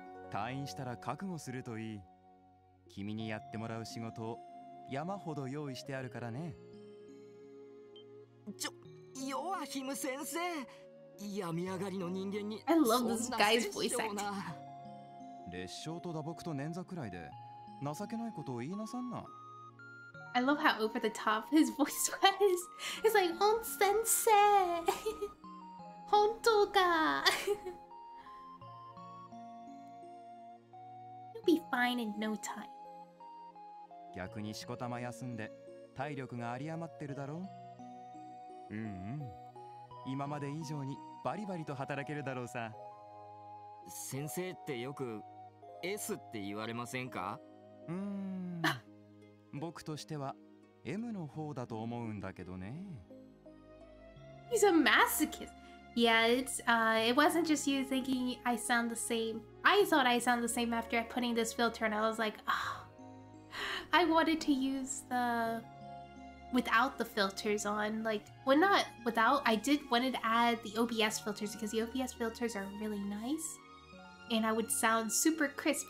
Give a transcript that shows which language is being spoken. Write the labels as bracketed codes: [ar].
[ja] 退院したら覚悟するといい。君にやってもらう仕事を山ほど用意してあるからね。ちょ、ヨアヒム先生、病み上がりの人間に。 [en] I love this guy's voice acting. [ja] 裂傷と打撲と捻挫くらいで、情けないことを言いなさんな。 [en] I love how over the top his voice was. It's like, Hon sensei! [ja] Honto ka! [en] You'll be fine in no time. [ja] 逆にしこたま休んで、体力が有り余ってるだろう。うんうん。今まで以上にバリバリと働けるだろうさ。先生ってよく S って言われませんか？僕としては M の方だと思うんだけどね。 [en] He's a masochist. Yeah, it wasn't just you thinking I sound the same. I thought I sound the same after putting this filter, and I was like, oh, I wanted to use the without the filters on. Like, well, not without. I did wanted to add the OBS filters because the OBS filters are really nice, and I would sound super crisp.